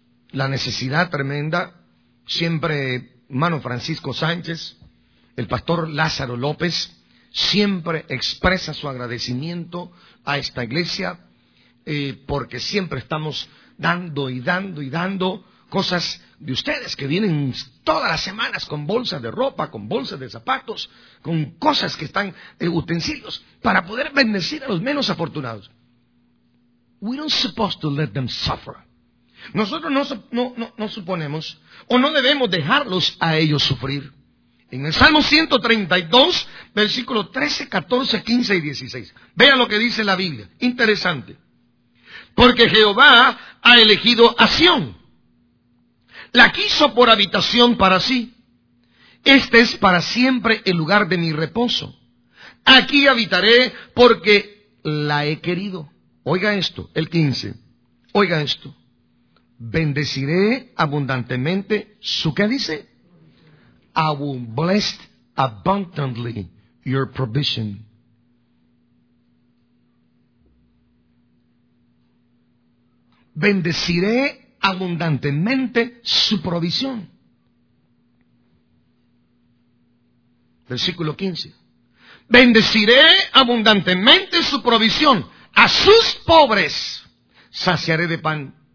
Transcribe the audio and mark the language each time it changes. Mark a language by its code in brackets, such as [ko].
[es] La necesidad tremenda. Siempre hermano Francisco Sánchez, el pastor Lázaro López, siempre expresa su agradecimiento a esta iglesia, porque siempre estamos dando y dando y dando cosas de ustedes que vienen todas las semanas con bolsas de ropa, con bolsas de zapatos, con cosas que están, utensilios, para poder bendecir a los menos afortunados. [en] We don't supposed to let them suffer. [es] Nosotros no suponemos o no debemos dejarlos a ellos sufrir. En el Salmo 132, versículo 13, 14, 15 y 16. Vea lo que dice la Biblia. Interesante. Porque Jehová ha elegido a Sión. La quiso por habitación para sí. Este es para siempre el lugar de mi reposo. Aquí habitaré porque la he querido. Oiga esto, el 15. Oiga esto. Bendeciré abundantemente su, ¿qué dice? [en] I will bless abundantly your provision. [es] Bendeciré abundantemente su provisión. Versículo 15. Bendeciré abundantemente su provisión. A sus pobres saciaré de pan.